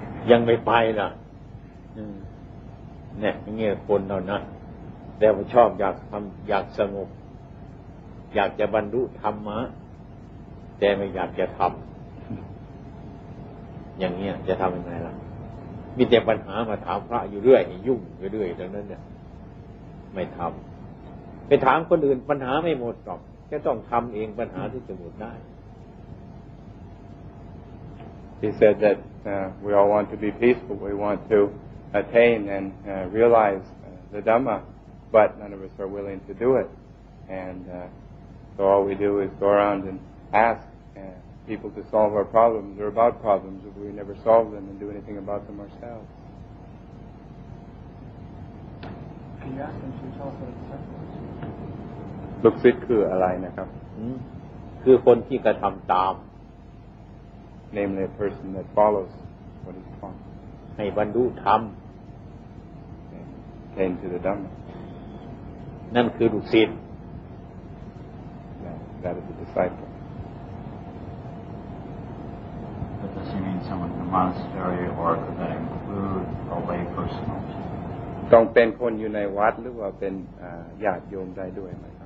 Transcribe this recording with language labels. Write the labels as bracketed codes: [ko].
[th] ยังไม่ไปนะเนี่ยเงี้ยคนเรานะแต่ว่าชอบอยากทำอยากสงบอยากจะบรรลุธรรมะแต่ไม่อยากจะทำอย่างนี้จะทำยังไงล่ะมีแต่ปัญหามาถามพระอยู่เรื่อยยุ่งเรื่อยๆดังนั้นเนี่ยไม่ทำไปถามคนอื่นปัญหาไม่หมดหรอกแค่ต้องทำเองปัญหาที่จะหมดได้ [en] He said that we all want to be peaceful. We want to attain and realize the Dhamma, but none of us are willing to do it. And so all we do is go around and ask people to solve our problems or about problems if we never solve them and do anything about them ourselves. Can you ask them to tell us what it's like? [th] ลูกศิษย์คืออะไรนะครับ คือคนที่กระทำตาม [en] namely a person that follows what is taught [th] ให้บรรลุธรรม [en] came to the Dhamma [th] นั่นคือลูกศิษย์ [en] that is the disciple but does he mean someone in the monastery or could that include a lay person [th] ต้องเป็นคนอยู่ในวัดหรือว่าเป็นญาติโยมได้ด้วยไหม